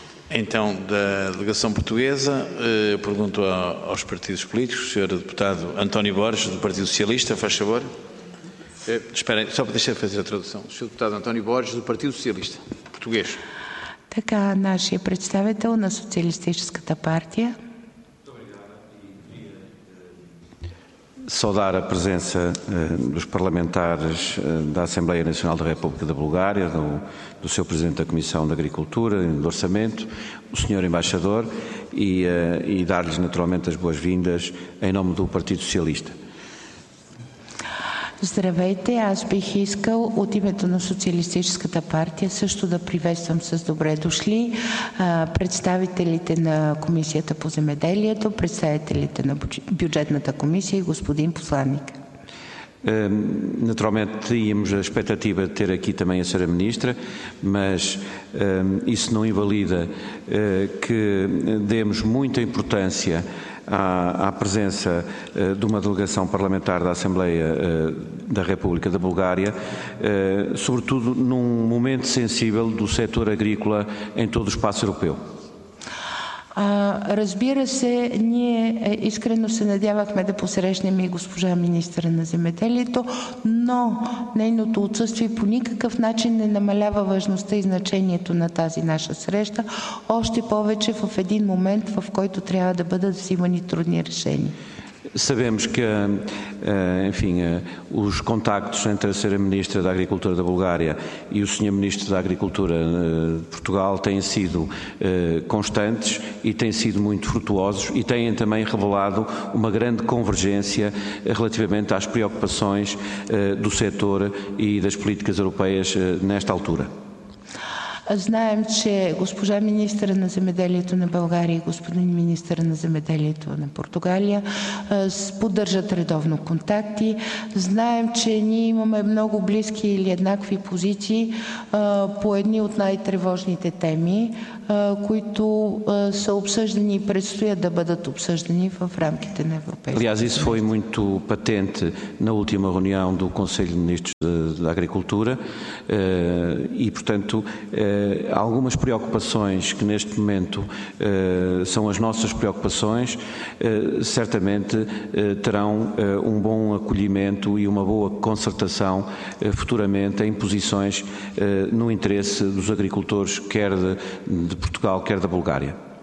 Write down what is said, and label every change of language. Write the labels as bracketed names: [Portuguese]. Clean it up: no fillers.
[Portuguese] Então, da delegação portuguesa, eu pergunto aos partidos políticos, Sr. Deputado António Borges, do Partido Socialista, faz favor. Esperem, só para deixar fazer a tradução. Sr. Deputado António Borges, do Partido Socialista, português. [Bulgarian] Така, нашия представител на Социалистическата партия. [Portuguese] Saudar a presença dos parlamentares da Assembleia Nacional da República da Bulgária, do seu Presidente da Comissão de Agricultura e do Orçamento, o Sr. Embaixador, e dar-lhes naturalmente as boas-vindas em nome do Partido Socialista. [Bulgarian] Здравейте, аз бих искал от името на Социалистическата партия също да приветствам с добре дошли представителите на Комисията по земеделието, представителите на Бюджетната комисия и господин посланник. [Portuguese] Naturalmente tínhamos a expectativa de ter aqui também a Sra. Ministra, mas isso não invalida que demos muita importância à presença de uma delegação parlamentar da Assembleia da República da Bulgária, sobretudo num momento sensível do setor agrícola em todo o espaço europeu. [Bulgarian] Разбира се, ние искрено се надявахме да посрещнем и госпожа министъра на земеделието, но нейното отсъствие по никакъв начин не намалява важността и значението на тази наша среща, още повече в един момент, в който трябва да бъдат взимани трудни решения. [Portuguese] Sabemos que, enfim, os contactos entre a Sra. Ministra da Agricultura da Bulgária e o Sr. Ministro da Agricultura de Portugal têm sido constantes e têm sido muito frutuosos e têm também revelado uma grande convergência relativamente às preocupações do setor e das políticas europeias nesta altura. [Bulgarian] Знаем, че госпожа министъра на земеделието на България и господин министъра на земеделието на Португалия поддържат редовно контакти. Знаем, че ние имаме много близки или еднакви позиции по едни от най-тревожните теми, които са обсъждани и предстоят да бъдат обсъждани в рамките на Европейския съюз. [Portuguese] Aliás, isso foi muito patente na última reunião do Conselho de Ministros da Agricultura e, portanto, algumas preocupações que neste momento são as nossas preocupações, certamente terão um bom acolhimento e uma boa concertação futuramente em posições no interesse dos agricultores, quer de Portugal, quer da Bulgária.